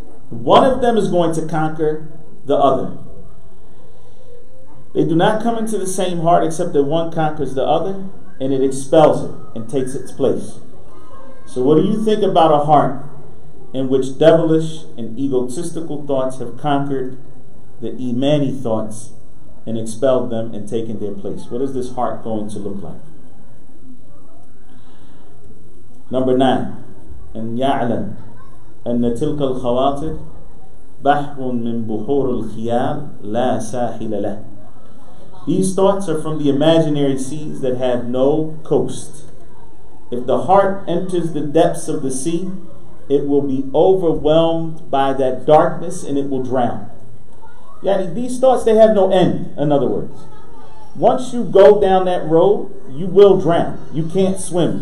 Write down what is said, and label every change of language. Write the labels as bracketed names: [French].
[English] One of them is going to conquer the other. They do not come into the same heart except that one conquers the other and it expels it and takes its place. So what do you think about a heart in which devilish and egotistical thoughts have conquered the imani thoughts and expelled them and taken their place? What is this heart going to look like? Number 9. [Arabic] أن يعلم أن تلك الخواطر بحر من بحور الخيال لا ساحل له. [English] These thoughts are from the imaginary seas that have no coast. If the heart enters the depths of the sea, it will be overwhelmed by that darkness and it will drown. Yani, these thoughts, they have no end, in other words. Once you go down that road, you will drown. You can't swim.